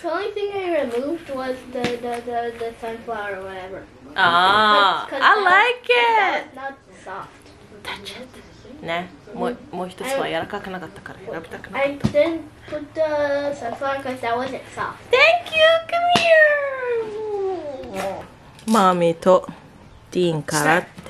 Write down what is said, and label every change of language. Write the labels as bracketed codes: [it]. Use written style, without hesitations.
[en] The only thing I removed was the sunflower or whatever. Ah, I like it! Not soft. Touch it. [ja] ね、もう一つは柔らかくなかったから選びたくなかった。 [en] I didn't put the sunflower because that wasn't soft. Thank you! Come here! [ja] マミとディーンからって。